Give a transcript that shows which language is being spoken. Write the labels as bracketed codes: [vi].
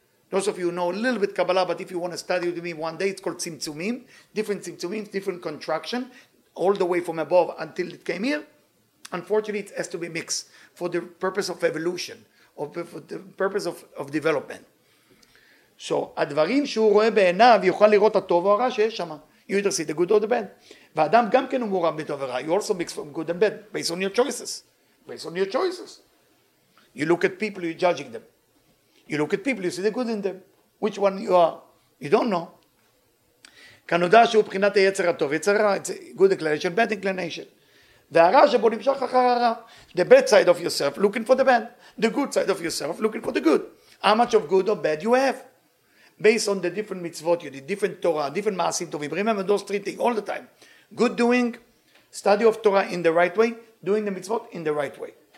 [en] Those of you who know a little bit Kabbalah, but if you want to study with me one day, it's called Tzimtzumim. Different Tzimtzumim, different contraction, all the way from above until it came here. Unfortunately, it has to be mixed for the purpose of evolution, or for the purpose of development. [he] So, הדברים שהוא רואה בעיניו יוכל לראות הטוב או הרע שיש שם. [en] You either see the good or the bad. [he] ואדם גם כן הוא מורם בטוב ורע. [en] You also mix from good and bad, based on your choices. Based on your choices. You look at people, you're judging them. You look at people, you see the good in them. Which one you are? You don't know. [he] כנודע שהוא בחינת היצר הטוב, יצר רע. [en] It's a good inclination, bad inclination. [he] והרע שבו נמשך אחר הרע. [en] The bad side of yourself, looking for the bad. The good side of yourself, looking for the good. How much of good or bad you have? Based on the different mitzvot you did, different Torah, different ma'asim tovim. Remember those three things all the time. Good doing, study of Torah in the right way, doing the mitzvot in the right way.